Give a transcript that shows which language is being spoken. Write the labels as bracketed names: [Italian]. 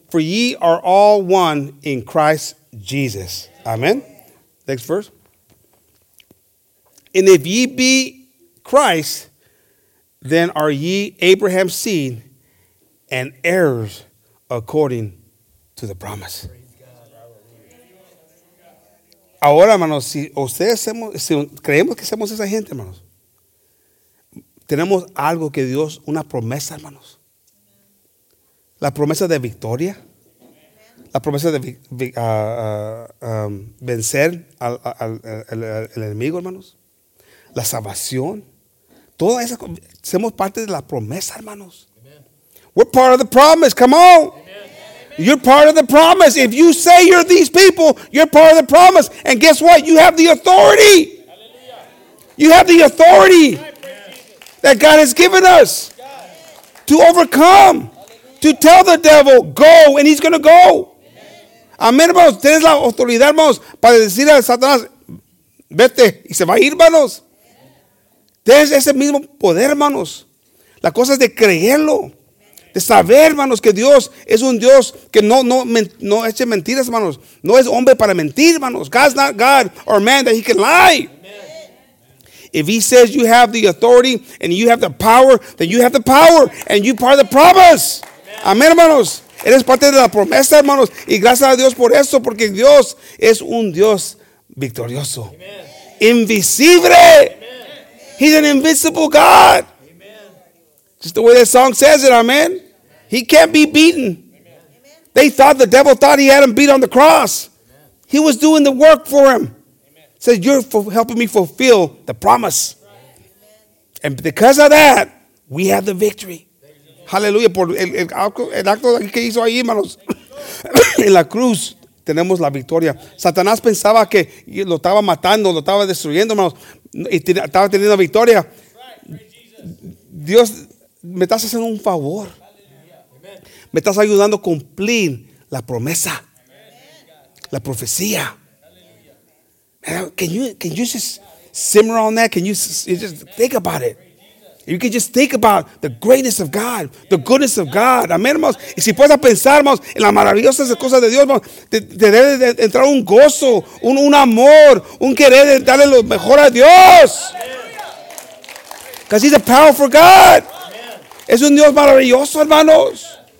[English] For ye are all one in Christ Jesus. Amén. Next verse. And if ye be Christ, then are ye Abraham's seed and heirs according to the promise. [Spanish] Ahora, hermanos, si creemos que somos esa gente, hermanos, tenemos algo que Dios, una promesa, hermanos. La promesa de victoria. La promesa de vencer al enemigo, hermanos. La salvación. Toda esa, somos parte de la promesa, hermanos. [English] Amen. We're part of the promise. Come on. Amen. You're part of the promise. If you say you're these people, you're part of the promise. And guess what? You have the authority. Hallelujah. You have the authority that God has given us to overcome. Hallelujah. To tell the devil, go, and he's going to go. [Spanish] Amén, hermanos. Tienes la autoridad, hermanos, para decir a Satanás, vete, y se va a ir, hermanos. Tienes ese mismo poder, hermanos. La cosa es de creerlo, de saber, hermanos, que Dios es un Dios que no eche mentiras, hermanos. No es hombre para mentir, hermanos. [English] God's not God or man that he can lie. If he says you have the authority and you have the power, then you have the power and you're part of the promise. [Spanish] Amén, hermanos. Eres parte de la promesa, hermanos. Y gracias a Dios por eso, porque Dios es un Dios victorioso. [English] Amen. Invisible. Amen. He's an invisible God. Amen. Just the way that song says it, amen. He can't be beaten. Amen. The devil thought he had him beat on the cross. Amen. He was doing the work for him. Amen. Says, you're helping me fulfill the promise. Right. And because of that, we have the victory. [Spanish] Hallelujah, por el acto que hizo ahí, hermanos. En la cruz tenemos la victoria. Satanás pensaba que lo estaba matando, lo estaba destruyendo, hermanos. Y estaba teniendo victoria. Dios, me estás haciendo un favor. Me estás ayudando a cumplir la promesa. La profecía. [English] Can you just simmer on that? Can you just think about it? You can just think about the greatness of God, the goodness of God. [Spanish] Amén, hermanos. Y si puedes pensar, hermanos, en las maravillosas cosas de Dios, hermanos, te debe de entrar un gozo, un amor, un querer de darle lo mejor a Dios. [English] Because he's a powerful God. Amen. [Spanish] Es un Dios maravilloso, hermanos.